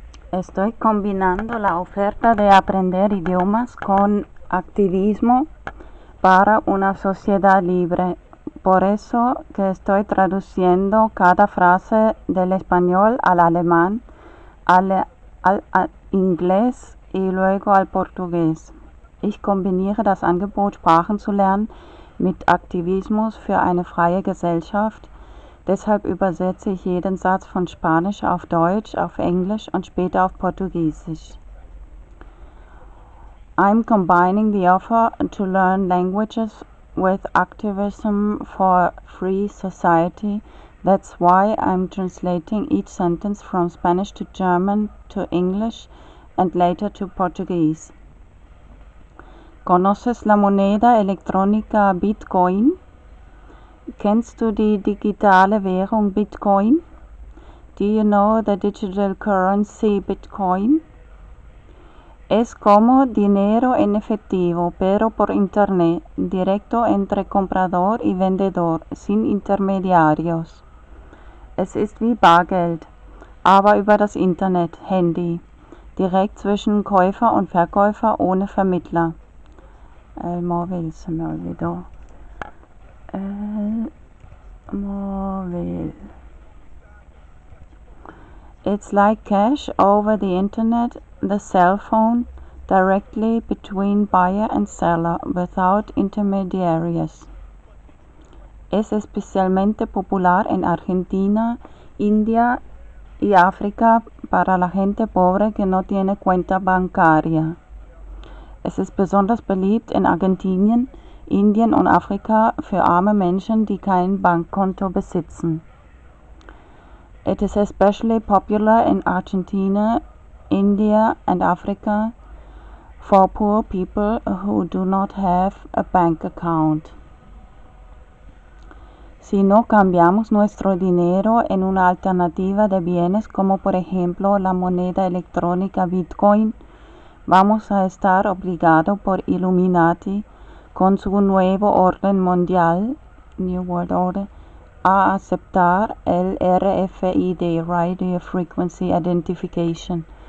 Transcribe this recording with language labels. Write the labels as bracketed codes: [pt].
[es] Estoy combinando la oferta de aprender idiomas con activismo para una sociedad libre. Por eso que estoy traduciendo cada frase del español al alemán, al inglés y luego al portugués. [de] Ich kombiniere das Angebot, Sprachen zu lernen, mit Aktivismus für eine freie Gesellschaft. Deshalb übersetze ich jeden Satz von Spanisch auf Deutsch, auf Englisch und später auf Portugiesisch. [en] I'm combining the offer to learn languages with activism for free society. That's why I'm translating each sentence from Spanish to German to English and later to Portuguese. [es] ¿Conoces la moneda electrónica Bitcoin? [de] Kennst du die digitale Währung Bitcoin? [en] Do you know the digital currency Bitcoin? [es] Es como dinero en efectivo, pero por internet, directo entre comprador y vendedor, sin intermediarios. [de] Es ist wie Bargeld, aber über das Internet, Handy, direkt zwischen Käufer und Verkäufer ohne Vermittler. [es] El móvil se me olvidó. El móvil. [en] It's like cash over the internet, the cell phone, directly between buyer and seller, without intermediaries. [es] Es especialmente popular en Argentina, India y África para la gente pobre que no tiene cuenta bancaria. [de] Es ist besonders beliebt in Argentinien, Indien und Afrika für arme Menschen, die kein Bankkonto besitzen. [en] It is especially popular in Argentina, India and Africa for poor people who do not have a bank account. [es] Si no cambiamos nuestro dinero en una alternativa de bienes como por ejemplo la moneda electrónica Bitcoin, vamos a estar obligados por Illuminati con su nuevo orden mundial, New World Order, a aceptar el RFID, Radio Frequency Identification.